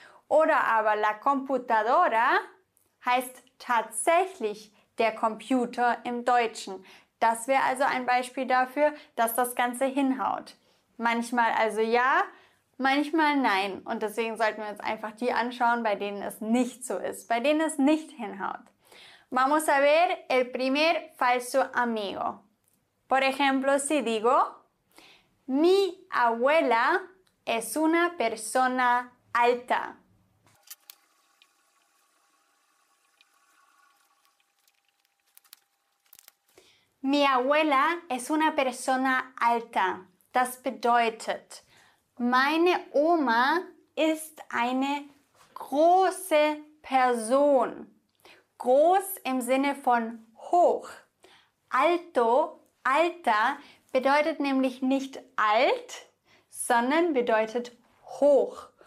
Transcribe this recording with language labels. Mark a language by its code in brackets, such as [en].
[de] Oder aber [es] la computadora [de] heißt tatsächlich der Computer im Deutschen. Das wäre also ein Beispiel dafür, dass das Ganze hinhaut. Manchmal also ja, manchmal nein. Und deswegen sollten wir uns einfach die anschauen, bei denen es nicht so ist, bei denen es nicht hinhaut. [es] Vamos a ver el primer falso amigo. Por ejemplo, si digo, mi abuela es una persona alta. Mi abuela es una persona alta. [de] Das bedeutet, meine Oma ist eine große Person. Groß im Sinne von hoch. Alto. Alter bedeutet nämlich nicht alt, sondern bedeutet hoch.